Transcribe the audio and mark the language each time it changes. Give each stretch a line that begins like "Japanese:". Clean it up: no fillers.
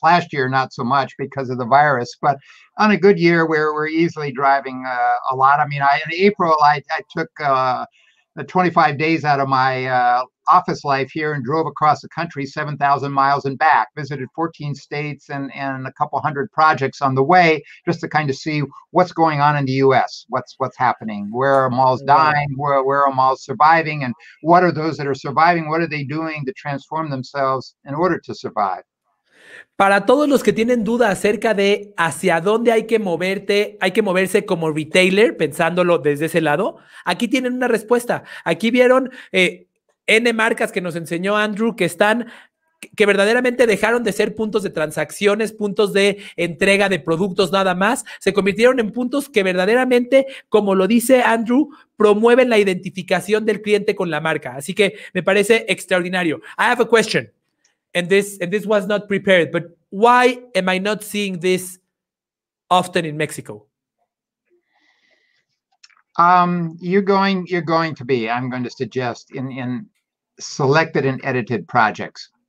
English: Last year, not so much because of the virus. But on a good year, we're easily driving a lot. I mean, In April, I took 25 days out of my office life here and drove across the country 7,000 miles and back, visited 14 states and a couple hundred projects on the way just to kind of see what's going on in the U.S., what's happening, where are malls dying, where are malls surviving, and what are those that are surviving, what are they doing to transform themselves in order to survive.
Spanish: Para todos los que tienen duda acerca de hacia dónde hay que moverse como retailer, pensándolo desde ese lado, aquí tienen una respuesta. Aquí vieron N marcas que nos enseñó Andrew que verdaderamente dejaron de ser puntos de transacciones, puntos de entrega de productos nada más, se convirtieron en puntos que verdaderamente, como lo dice Andrew, promueven la identificación del cliente con la marca. Así que me parece extraordinario.
English: I have a question. And this was not prepared, but why am I not seeing this often in Mexico? You're going to be, I'm going to suggest, in selected and edited projects.